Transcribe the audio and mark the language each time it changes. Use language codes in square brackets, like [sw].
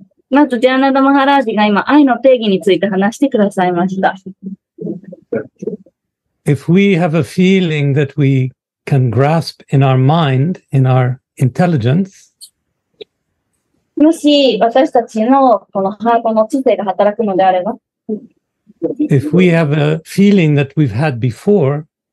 [ja] まずジャーナダマハラージが今愛の定義について話してくださいました。 [en] If we have a feeling that we can grasp in our mind, in our intelligence, [ja] もし私たちのこのハートの知性が働くのであれば、 [en] If we have a feeling that we've had before,